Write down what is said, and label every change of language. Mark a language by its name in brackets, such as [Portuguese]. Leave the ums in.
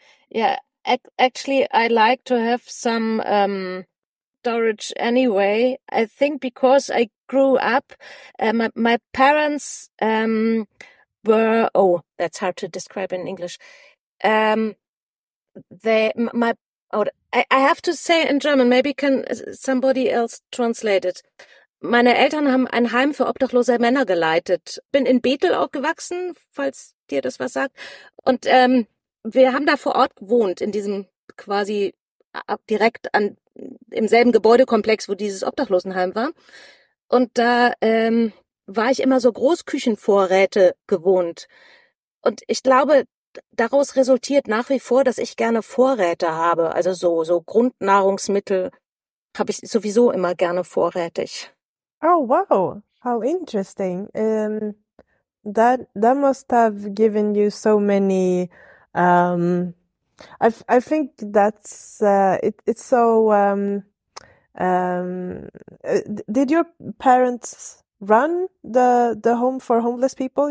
[English] yeah, ac actually, I like to have some um, storage anyway. I think because I grew up, uh, my, my, parents um, were oh, that's hard to describe in English. Um, they my oh, I, have to say in German. Maybe can somebody else translate it? [German] Meine Eltern haben ein Heim für obdachlose Männer geleitet. Bin in Bethel auch gewachsen, falls dir das was sagt. Und ähm, um, wir haben da vor Ort gewohnt in diesem quasi direkt an im selben Gebäudekomplex, wo dieses Obdachlosenheim war. Und da ähm, war ich immer so Großküchenvorräte gewohnt. Und ich glaube, daraus resultiert nach wie vor, dass ich gerne Vorräte habe. Also so, so Grundnahrungsmittel habe ich sowieso immer gerne vorrätig. [English] Oh, wow. How interesting. Um, that, that must have given you so many. Um, I, I think that's. Uh, it, it's so. Um, Um, did your parents run the the home for homeless people?